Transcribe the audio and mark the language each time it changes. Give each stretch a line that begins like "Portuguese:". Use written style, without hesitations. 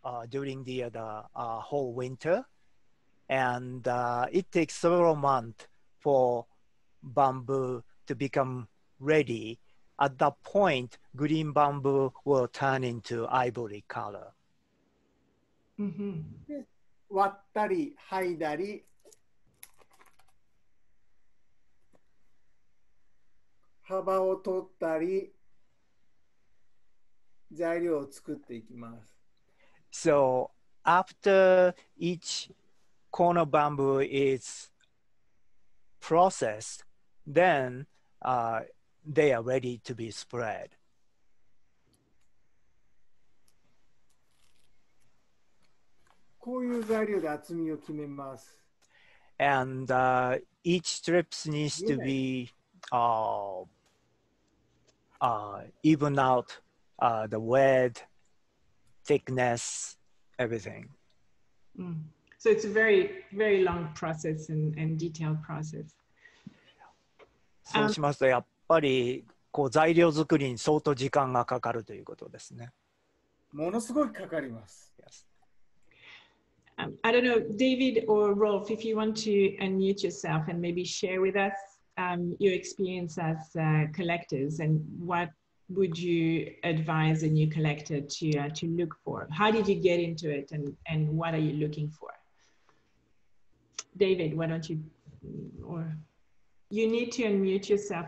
English: During the whole winter, and it takes several months for bamboo to become ready. At that point, green bamboo will turn into ivory color. Mm-hmm.
Japanese: 割ったり、剥いだり、幅を取ったり。材料を作っていきます。
English: So after each corner bamboo is processed, then they are ready to be spread.
Japanese: こういう材料で厚みを決めます。
English: And each strips needs to be even out. The width, thickness, everything. Mm. So it's a very, very long process and detailed process.
Japanese: そうしますとやっぱりこう材料作りに相当時間がかかるということですね。ものすごいかかります。
English: I don't know, David or Rolf, if you want to unmute yourself and maybe share with us your experience as collectors and what would you advise a new collector to look for? How did you get into it and what are you looking for? David, why don't you, or you need to unmute yourself.